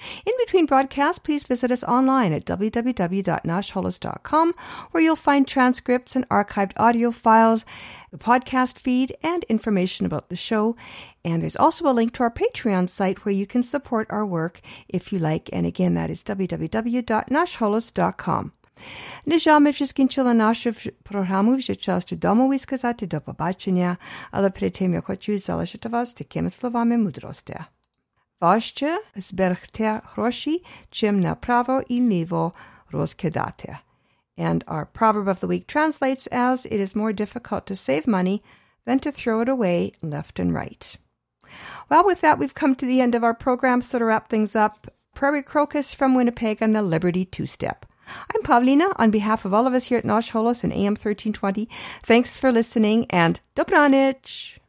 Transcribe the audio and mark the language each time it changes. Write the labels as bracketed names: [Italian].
[English] In between broadcasts, please visit us online at www.nashholos.com, where you'll find transcripts and archived audio files, the podcast feed, and information about the show. And there's also a link to our Patreon site where you can support our work if you like. And again, that is www.nashholos.com. [Ukrainian] Нежам вже скінчила нашу програму, вже час додому і сказати до побачення. Але перед тим я хочу залишити вас такими словами мудрості. Важче зберегти гроші, чим направо і ліво розкидати. [English] And our proverb of the week translates as, it is more difficult to save money than to throw it away left and right. Well, with that, we've come to the end of our program, so to wrap things up, Prairie Crocus from Winnipeg and the Liberty Two-Step. I'm Pavlina. On behalf of all of us here at Nosh Holos and AM 1320, thanks for listening and Dobranich!